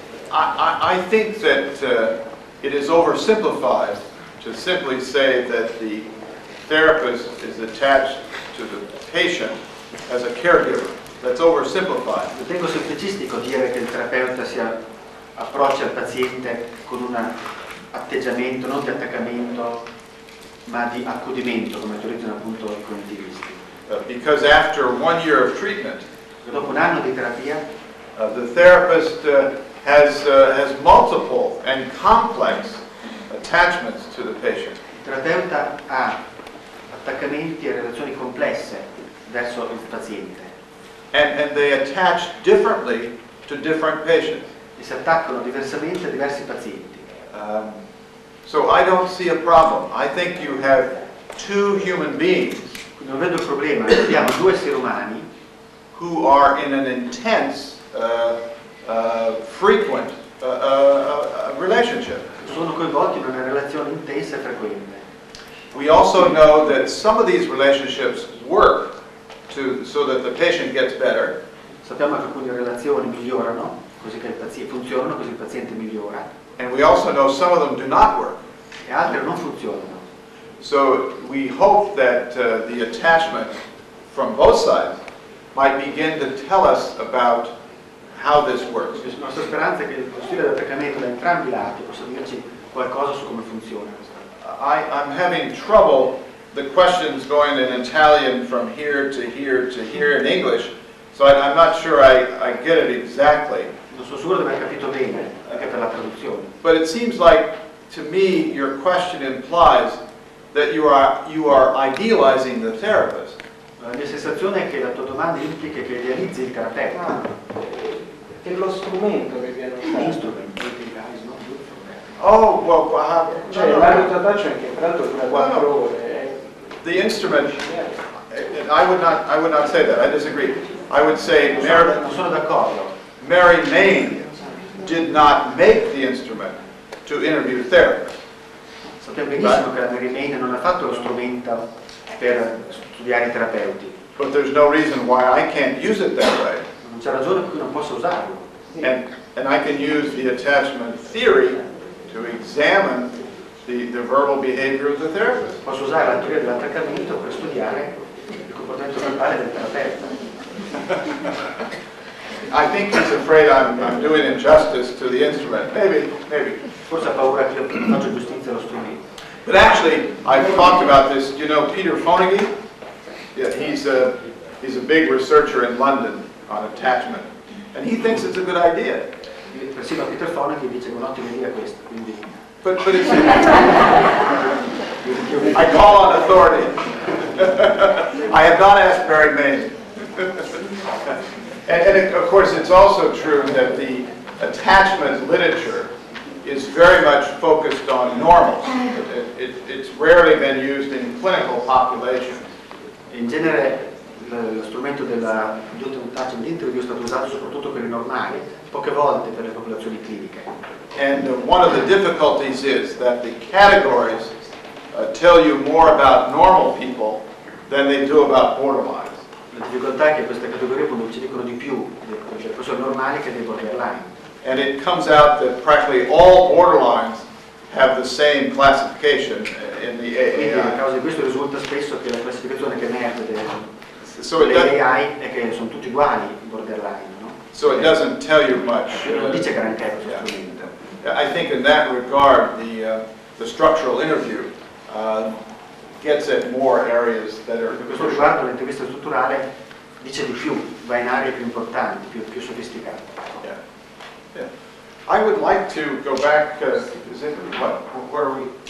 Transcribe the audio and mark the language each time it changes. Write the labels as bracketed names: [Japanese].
[English] I think that it is oversimplified to simply say that the therapist is attached to the patient as a caregiver. That's oversimplified. [Italian] Ritengo semplicistico dire che il terapeuta si approccia al paziente con un atteggiamento non di attaccamento ma di accudimento, come teorizzano appunto i cognitivisti. [English] Because after one year of treatment, [Italian] dopo un anno di terapia, [English] The therapist has multiple and complex attachments to the patient. [Italian] Il terapeuta ha attaccamenti e relazioni complesse verso il paziente. [English] And they attach differently to different patients. [Italian] E si attaccano diversamente a diversi pazienti. [English] So I don't see a problem. I think you have two human beings. [Italian] Non vedo il problema. Abbiamo due esseri umani [English] who are in an intense frequent relationship. [Italian] Sono coinvolti in una relazione intensa e frequente. [English] We also know that some of these relationships work so that the patient gets better. [Italian] Sappiamo che alcune relazioni migliorano, così che il paziente funzionano, così il paziente migliora. [English] And we also know some of them do not work. [Italian] E altre non funzionano. [English] So we hope that the attachment from both sides might begin to tell us about how this works. [Italian] La nostra speranza è che lo stile di attaccamento da entrambi i lati possa dirci qualcosa su come funziona. [English] I'm having trouble. The questions going in Italian from here to here to here in English, so I'm not sure I get it exactly. [Italian] Non sono sicuro di aver capito bene anche per la traduzione. [English] But it seems like to me your question implies that you are idealizing the therapist. [Italian] La mia sensazione è che la tua domanda implica che idealizzi il terapeuta. Ah. E lo strumento che viene usato [English] Oh, well, well how, [Italian] cioè, no, l'autotattaccio anche, peraltro, dura 4 ore. [English] The instrument, I would not say that, I disagree. I would say Mary Main did not make the instrument to interview the therapist. [Italian] Sappiamo benissimo che la Mary Main non ha fatto lo strumento per studiare i terapeuti. [English] But there's no reason why I can't use it that way. [Italian] Non c'è ragione per cui non posso usarlo. [English] And I can use the attachment theory to examine the verbal behavior of the therapist. [Italian] Posso usare la teoria dell'attaccamento per studiare il comportamento verbale del terapeuta. [English] I think he's afraid I'm doing injustice to the instrument. Maybe. [Italian] Forse ha paura che io faccio giustizia allo strumento. [English] But actually, I've talked about this. You know Peter Fonagy? Yeah, he's a big researcher in London on attachment. And he thinks it's a good idea. [Italian] Sì, ma Peter Fonagy dice che è un'ottima idea questa, quindi... [English] But it's... I call on authority. I have not asked Barry Main. And of course, it's also true that the attachment literature is very much focused on normals. It's rarely been used in clinical populations. [Italian] In genere, lo strumento dell'autotattaccio dell'interview è stato usato soprattutto per i normali, poche volte per le popolazioni cliniche. [English] And one of the difficulties is that the categories tell you more about normal people than they do about borderlines. [Italian] La difficoltà è che queste categorie appunto ci dicono di più delle persone normali che dei borderline. [English] And it comes out that practically all borderlines have the same classification in the AI. [Italian] Quindi a causa di questo risulta spesso che la classificazione che emerge delle AI è che sono tutti uguali i borderline, no? [English] So it doesn't tell you much. [Italian] Non dice granché questo strumento. [English] I think in that regard, the structural interview gets at more areas that are. [Italian] Per questo riguardo, l'intervista strutturale dice di più, va in aree più importanti, più sofisticate. [English] Yeah. Yeah. I would like to go back. Is it what? Where are we?